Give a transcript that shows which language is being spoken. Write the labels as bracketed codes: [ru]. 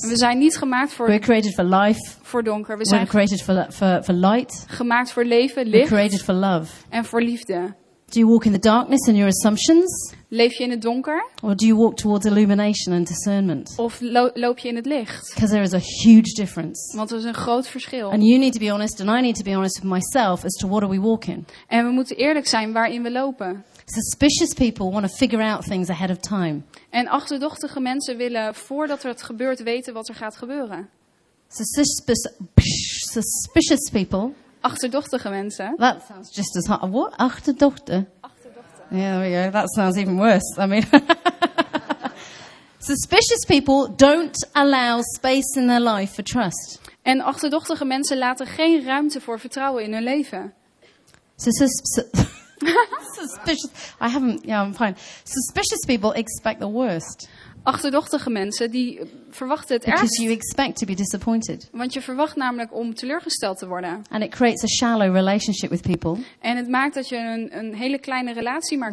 [nl] We zijn niet gemaakt voor. [en] We're created for life. [nl] Voor donker. [en] We're created for light. [nl] Gemaakt voor leven, licht. [en] We're created for love. [nl] En voor liefde. [en] Do you walk in the darkness and your assumptions? [nl] Leef je in het donker? [en] Or do you walk towards illumination and discernment? [nl] Of loop je in het licht? [en] Because there is a huge difference. [nl] Want er is een groot verschil. [en] And you need to be honest, and I need to be honest with myself as to what are we walking. [nl] En we moeten eerlijk zijn waarin we lopen. [en] Suspicious people want to figure out things ahead of time. [nl] En achterdochtige mensen willen voordat het gebeurt weten wat er gaat gebeuren. [en] Suspicious people. [nl] Achterdochtige mensen. [en] That sounds just as hard. [nl] What? Achterdochter. Achterdochter. [en] Yeah, that sounds even worse. I mean, suspicious people don't allow space in their life for trust. [nl] En achterdochtige mensen laten geen ruimte voor vertrouwen in hun leven. [en] Suspicious. I haven't. Yeah, I'm fine. Suspicious people expect the worst. [nl] Achterdochtige mensen die verwachten het [en] because [nl] ergst. [en] You expect to be disappointed. [nl] Want je verwacht namelijk om teleurgesteld te worden. [en] And it creates a shallow relationship with people. [nl] En het maakt dat je een hele kleine relatie maar